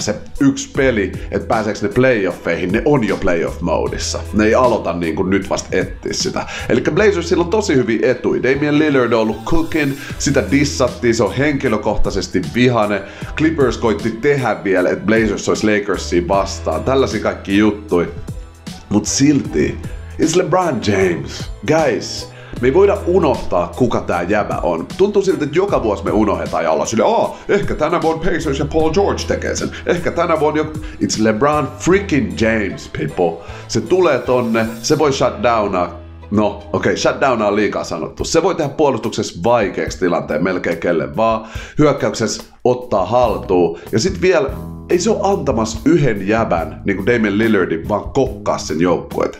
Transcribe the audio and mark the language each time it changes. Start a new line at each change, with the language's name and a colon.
Finnish: Se yksi peli, että pääseekö ne playoffeihin, ne on jo playoff-moodissa. Ne ei aloita niin kuin nyt vasta etsiä sitä. Elikkä Blazersil on tosi hyvin etui. Damian Lillard on ollut cooking, sitä dissattiin, se on henkilökohtaisesti vihane. Clippers koitti tehdä vielä, että Blazers olisi Lakersiin vastaan. Tällaisia kaikki juttui. Mut silti,
English: it's LeBron James.
Finnish: Guys, me ei voida unohtaa, kuka tää jävä on. Tuntuu siltä, että joka vuosi me unohdetaan ja ollaan silleen, ehkä tänä vuonna Pacers ja Paul George tekee sen. Ehkä tänä vuonna joku...
English: It's LeBron freaking James, people.
Finnish: Se tulee tonne, se voi shutdownaa. No, okei, okay, shutdown on liikaa sanottu. Se voi tehdä puolustuksessa vaikeaksi tilanteen melkein kelle vaan. Hyökkäyksessä ottaa haltuun. Ja sit vielä... Ei se ole antamassa yhden jävän, niin kuin Damian Lillardin, vaan kokkaa sen joukkueet.